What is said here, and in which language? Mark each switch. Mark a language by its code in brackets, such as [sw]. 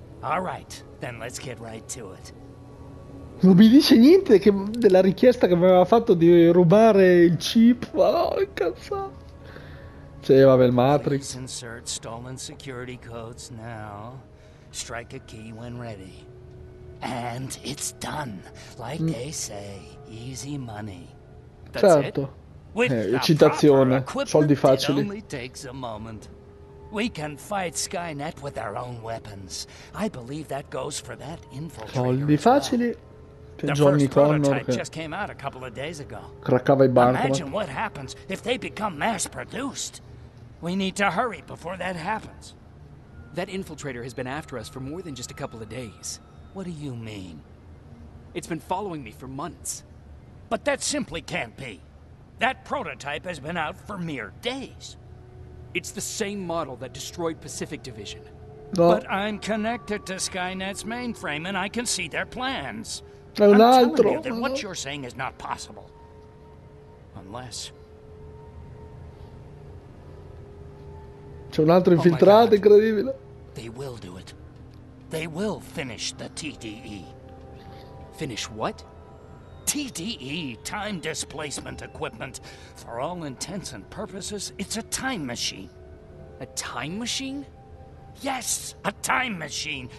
[en] All right, then let's get right to it. [it] Non mi dice niente che della richiesta che mi aveva fatto di rubare il chip. Oh, cazzo. Cioè, vabbè, il Matrix. [en] Please insert stolen security codes now. Strike a key when ready. And it's done. Like they say, easy money. [it] That's certo. It? Citazione. Soldi facili. [en] It only takes a moment. We can fight Skynet with our own weapons. I believe that goes for that infiltrator. Facili. The first prototype just came out a couple of days ago. [it] Craccava i bancomat. [en] Imagine what happens if they become mass-produced. We need to hurry before that happens. That infiltrator has been after us for more than just a couple of days. What do you mean? It's been following me for months. But that simply can't be. That prototype has been out for mere days. It's the same model that destroyed Pacific Division. No. But I'm connected to Skynet's mainframe and I can see their plans. [it] Un altro. [en] I'm telling you that what you're saying is not possible. Unless... [it] C'è un altro infiltrato, incredibile. [en] They will do it. They will finish the TDE. Finish what? TDE, time displacement equipment. For all intents and purposes, it's a time machine. A time machine? Yes, a time machine.